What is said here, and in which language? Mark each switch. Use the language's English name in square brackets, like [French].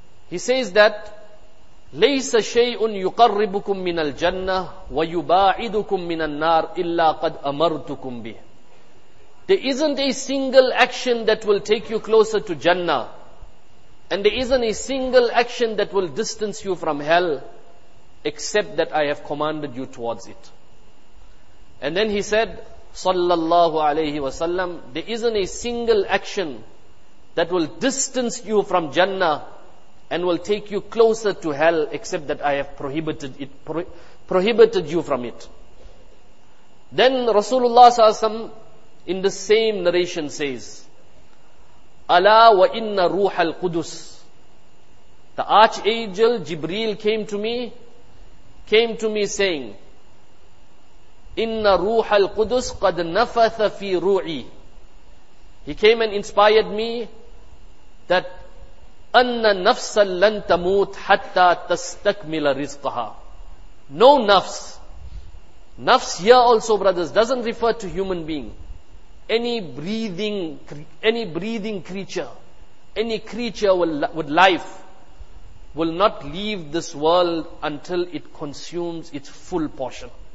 [English] He says that, [Arabic] لَيْسَ شَيْءٌ يُقَرِّبُكُمْ مِنَ الْجَنَّةِ وَيُبَاعِدُكُمْ مِنَ النَّارِ إِلَّا قَدْ أَمَرْتُكُمْ بِهِ. [English] There isn't a single action that will take you closer to Jannah, and there isn't a single action that will distance you from hell, except that I have commanded you towards it. And then he said, sallallahu alayhi wa sallam, there isn't a single action that will distance you from Jannah and will take you closer to hell, except that I have prohibited it, prohibited you from it. Then Rasulullah sallallahu alayhi wa sallam, in the same narration says, [Arabic] Ala wa inna ruha al-Qudus. [English] The archangel Jibreel came to me saying, [Arabic] Inna ruha al-Qudus qad nafatha fi ru'i. [English] He came and inspired me that [Arabic] أَنَّ نَفْسًا لَن تَمُوت حَتَّى تَسْتَكْمِلَ رِزْقَهَا. [English] No nafs. Nafs here also, brothers, doesn't refer to human being. Any breathing creature, any creature with life will not leave this world until it consumes its full portion.